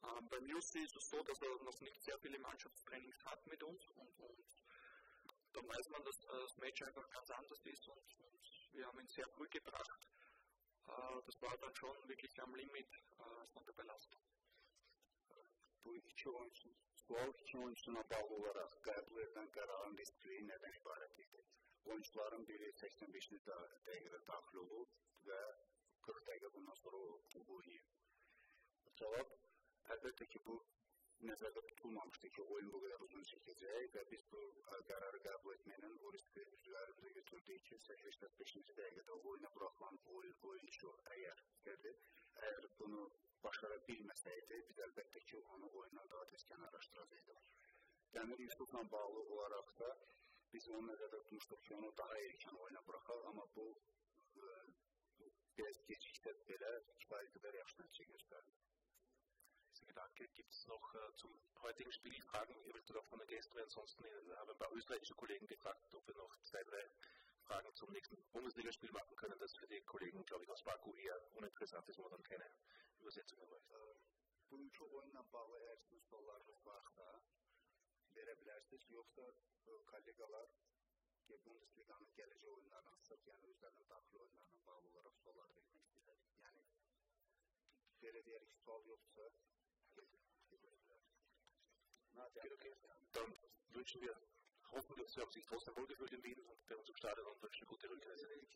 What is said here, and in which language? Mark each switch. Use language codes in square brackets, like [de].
[de] Beim Jussi ist es so, dass er noch nicht sehr viele Mannschaftstrainings hat mit uns und dann weiß man, dass das Match einfach ganz anders ist und wir haben ihn sehr früh gebracht. Das war dann schon wirklich am Limit von der Belastung. [az] Bu iki oyuncuna bağlı olaraq qəbul edən qərarın riskliyi nədən ibarət idi? Oyuncuların biri 85-ci dəqiqə daxil olub və 40 dəqiqə bundan sonra oynayıb. Cavab, əlbəttə ki, bu nəzərdə tutulmamışdı ki, oyun bu qədər uzun çəkəcək və biz bu qərarı qəbul etməyinin o riski üzərimizə götürdüyü ki, 85-ci dəqiqədə oyuna buraxılan oyuncu əgər bunu başqara bilməsəydi, biz əlbəttə ki, onu oyuna daha tez kənarlaşdıracaqdır. Dəmir Yusufla bağlı olaraq da biz onu nəzərdə tutmuşduq ki, onu daha erkən oyuna buraxaq, amma bu biraz gecikdə belə kifayət qədər yaxşı nəticə göstərdi. [de] Danke. Gibt es noch zum heutigen Spiel Fragen? Ich möchte darauf kommen, gestern. Ansonsten haben ein paar österreichische Kollegen gefragt, ob wir noch zwei, drei Fragen zum nächsten Bundesligaspiel machen können. Das für die Kollegen, glaube ich, aus Baku eher uninteressant ist, wo man dann keine Übersetzung mehr macht. [tr] Bunca oyunla bağlı eğer siz sorularınız varsa verebilirsiniz. Yoksa kollegalar ki Bundesliga'nın geleceği oyunlarına sırf yani özlerinin daxil oyunlarına bağlı olarak sorular vermek istiyorlar. Yani böyle bir sual yoksa [de] dann wünschen wir, hoffen, dass Sie auch sich trotzdem wohlgefühlt in Wien und bei uns im Stadion und wünschen gute Rückreise.